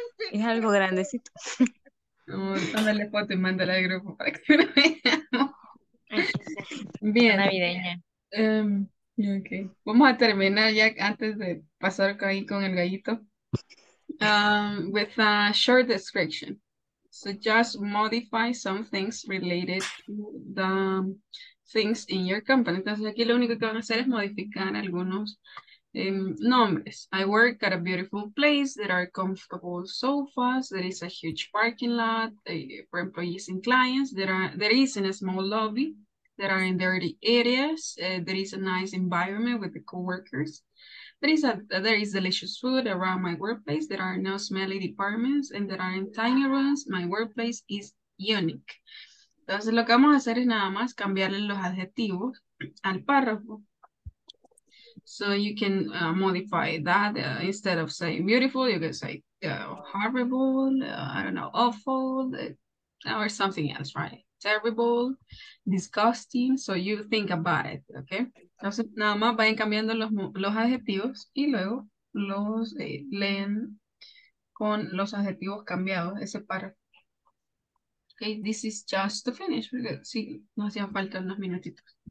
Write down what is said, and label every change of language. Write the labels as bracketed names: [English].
[Spanish] Es algo grandecito. Dale foto y mándale al grupo para que lo veamos. Bien. Navideña. [English] Okay. [Spanish] Vamos a terminar ya antes de pasar ahí con el gallito. [English] With a short description. So just modify some things related to the things in your company. [Spanish] Entonces aquí lo único que van a hacer es modificar algunos nombres. [English] I work at a beautiful place. There are comfortable sofas. There is a huge parking lot for employees and clients. There is in a small lobby. There are in dirty areas. There is a nice environment with the co-workers. There is delicious food around my workplace. There are no smelly departments and there are tiny rooms. My workplace is unique. [Spanish] Entonces lo que vamos a hacer es nada más cambiarle los adjetivos al párrafo. [English] So you can modify that instead of saying beautiful, you can say horrible, I don't know, awful, or something else, right? Terrible, disgusting, so you think about it, okay? [Spanish] Entonces nada más vayan cambiando los adjetivos y luego los leen con los adjetivos cambiados, ese párrafo. [English] Okay, this is just to finish, [Spanish] porque sí, nos hacían falta unos minutitos.